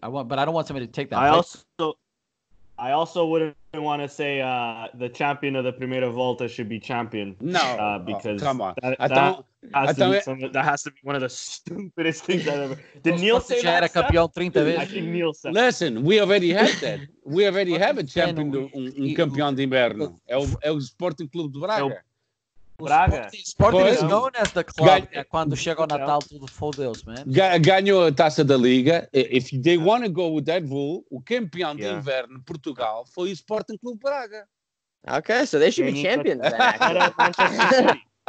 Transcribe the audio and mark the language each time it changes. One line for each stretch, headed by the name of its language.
English: I want, but I don't want somebody to take that. I also wouldn't want to say the champion of the Primeira Volta should be champion. No. Because that has to be one of the stupidest things I've ever. Did Neil say that?
Portuguese: A campeão 30 vezes.
English: I think Neil said that. Listen, we already had that. We already have a champion,
Portuguese: um campeão de inverno. É o Sporting Clube de Braga. Braga.
English: O Sporting is known as the club that
Portuguese: quando chega o Natal tudo fodeu-se,
English: man.
Portuguese: Ganhou a Taça da Liga.
English: If they want to go with that rule,
Portuguese: o campeão de inverno Portugal foi o Sporting Clube Braga.
English: Okay, so they should be champions then.